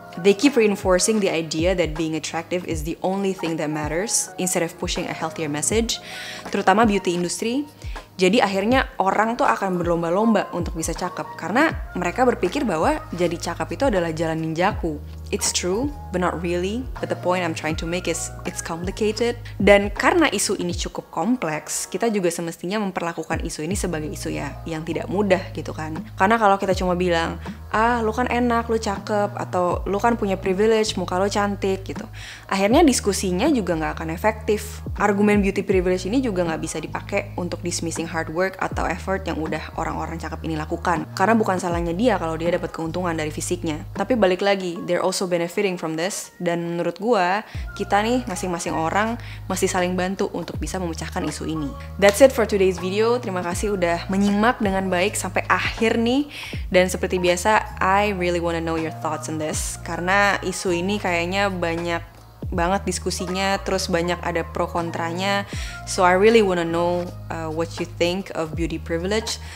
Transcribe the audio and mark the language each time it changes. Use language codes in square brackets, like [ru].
[en] They keep reinforcing the idea that being attractive is the only thing that matters instead of pushing a healthier message, [id] terutama [en] beauty industry. [id] Jadi akhirnya orang tuh akan berlomba-lomba untuk bisa cakep karena mereka berpikir bahwa jadi cakep itu adalah jalan ninjaku. [en] It's true, but not really. But the point I'm trying to make is it's complicated. [id] Dan karena isu ini cukup kompleks, kita juga semestinya memperlakukan isu ini sebagai isu ya yang tidak mudah gitu kan. Karena kalau kita cuma bilang, ah lu kan enak, lu cakep, atau lu kan punya privilege, muka lu cantik gitu, akhirnya diskusinya juga gak akan efektif. Argumen beauty privilege ini juga gak bisa dipakai untuk [en] dismissing hard work [id] atau effort yang udah orang-orang cakep ini lakukan. Karena bukan salahnya dia kalau dia dapat keuntungan dari fisiknya. Tapi balik lagi, [en] they're also benefiting from this, [id] dan menurut gua kita nih masing-masing orang masih saling bantu untuk bisa memecahkan isu ini. [en] That's it for today's video. [id] Terima kasih udah menyimak dengan baik sampai akhir nih, dan seperti biasa [en] I really wanna know your thoughts on this [id] karena isu ini kayaknya banyak banget diskusinya, terus banyak ada pro kontranya. [en] So I really wanna know what you think of beauty privilege.